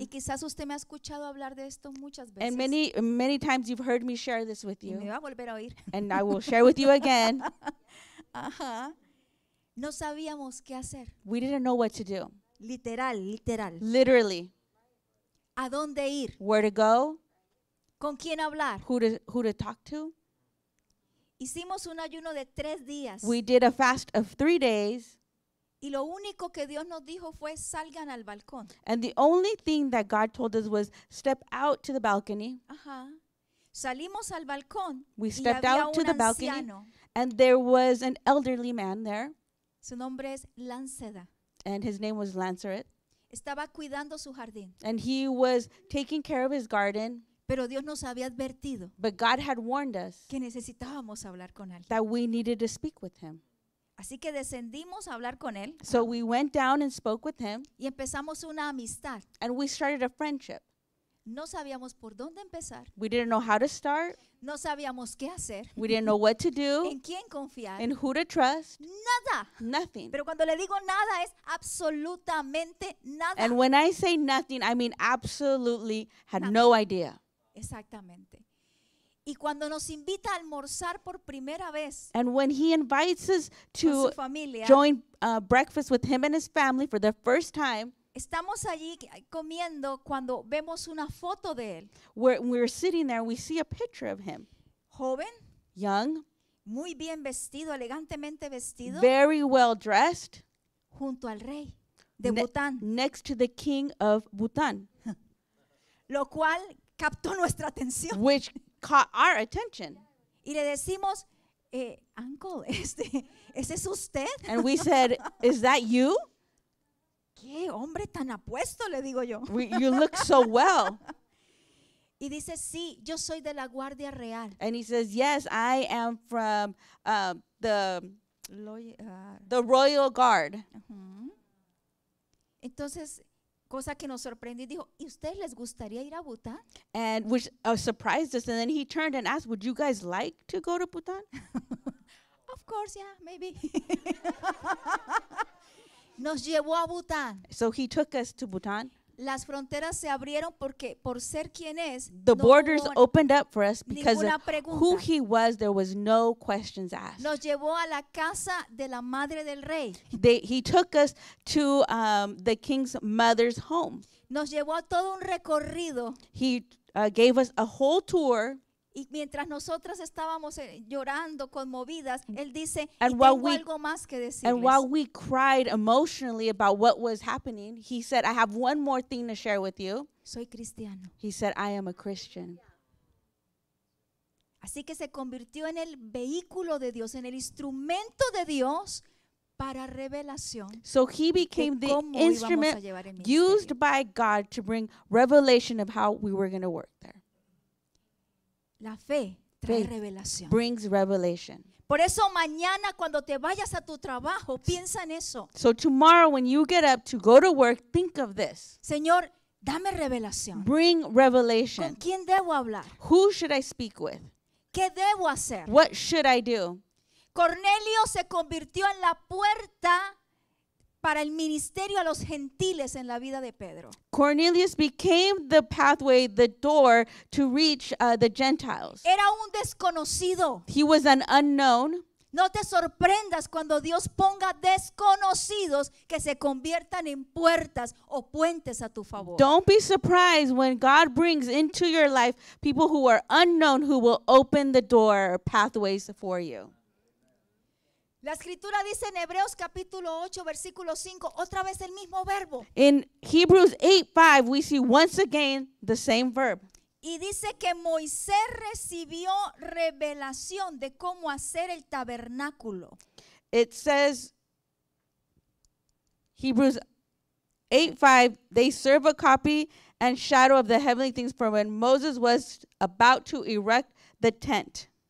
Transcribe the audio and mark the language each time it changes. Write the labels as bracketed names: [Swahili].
[Spanish] y quizás usted me ha escuchado hablar de esto muchas veces, [English] and many times you've heard me share this with you, [Spanish] y me va a volver a oír. [English] And I will share with you again. [Spanish] No sabíamos qué hacer. [English] We didn't know what to do. [Spanish] Literal. [English] Literally. [Spanish] ¿A dónde ir? [English] Where to go? [Spanish] ¿Con quién hablar? [English] Who to talk to? [Spanish] Hicimos un ayuno de 3 días. [English] We did a fast of 3 days. [Spanish] Y lo único que Dios nos dijo fue salgan al balcón. [English] And the only thing that God told us was step out to the balcony. [Spanish] Salimos al balcón. [English] We stepped out to the balcony. [Spanish] Anciano. [English] And there was an elderly man there. [Spanish] Su nombre es Lanceda. [English] And his name was Lanceret. [Spanish] Estaba cuidando su jardín. [English] And he was taking care of his garden. [Spanish] Pero Dios nos había advertido. [English] But God had warned us. [Spanish] Que necesitábamos hablar con alguien. [English] That we needed to speak with him. [Spanish] Así que descendimos a hablar con él. [English] So we went down and spoke with him. [Spanish] Y empezamos una amistad. [English] And we started a friendship. [Spanish] No sabíamos por dónde empezar. [English] We didn't know how to start. [Spanish] No sabíamos qué hacer. [English] We didn't know what to do. [Spanish] En quién confiar. [English] In who to trust. [Spanish] Nada. [English] Nothing. [Spanish] Pero cuando le digo nada es absolutamente nada. [English] And when I say nothing, I mean absolutely had nada. No idea. [Spanish] Exactamente. Y cuando nos invita a almorzar por primera vez, [English] and when he invites us to join breakfast with him and his family for the first time, [Spanish] estamos allí comiendo cuando vemos una foto de él. [English] We're sitting there, we see a picture of him. [Spanish] Joven, [English] young, [Spanish] muy bien vestido, elegantemente vestido, [English] very well dressed, [Spanish] junto al rey de Bután, [English] next to the king of Bután. [Spanish] Lo cual captó nuestra atención. [English] Which caught our attention. [Spanish] Y le decimos, uncle, ¿ese es usted? [English] And we said, is that you? [Spanish] ¿Qué hombre tan apuesto, le digo yo? [English] You look so well. [Spanish] Y dice, sí, yo soy de la Guardia Real. [English] And he says, yes, I am from the Royal Guard. [Spanish] Entonces, cosa que nos sorprendió, dijo, ¿y ustedes les gustaría ir a Bután? [English] And which surprised us, and then he turned and asked, would you guys like to go to Bután? Of course, yeah, maybe. [Spanish] Nos llevó a Bután. [English] So he took us to Bután. [Spanish] Las fronteras se abrieron porque por ser quien es, [English] the borders opened up for us because of who he was, there was no questions asked. [Spanish] Nos llevó a la casa de la madre del rey. [English] He took us to the king's mother's home. [Spanish] Nos llevó a todo un recorrido. [English] He gave us a whole tour. [Spanish] Y mientras nosotras estábamos llorando, conmovidas, él dice, tengo algo más que decirles. [English] And while we cried emotionally about what was happening, he said, I have one more thing to share with you. [Spanish] Soy cristiano. [English] He said, I am a Christian. [Spanish] Así que se convirtió en el vehículo de Dios, en el instrumento de Dios para revelación. [English] So he became the instrument used by God to bring revelation of how we were going to work there. [Spanish] La fe trae revelación. [English] Brings revelation. [Spanish] Por eso mañana cuando te vayas a tu trabajo, piensa en eso. [English] So tomorrow when you get up to go to work, think of this. [Spanish] Señor, dame revelación. [English] Bring revelation. [Spanish] ¿Con quién debo hablar? [English] Who should I speak with? [Spanish] ¿Qué debo hacer? [English] What should I do? [Spanish] Cornelio se convirtió en la puerta para el ministerio a los gentiles en la vida de Pedro. [English] Cornelius became the pathway, the door to reach the Gentiles. [Spanish] Era un desconocido. [English] He was an unknown. [Spanish] No te sorprendas cuando Dios ponga desconocidos que se conviertan en puertas o puentes a tu favor. [English] Don't be surprised when God brings into your life people who are unknown who will open the door or pathways for you. [Spanish] La escritura dice en Hebreos capítulo 8 versículo 5, otra vez el mismo verbo. [English] In Hebrews 8:5 we see once again the same verb. [Spanish] Y dice que Moisés recibió revelación de cómo hacer el tabernáculo. [English] It says Hebrews 8:5 they serve a copy and shadow of the heavenly things for when Moses was about to erect the tent.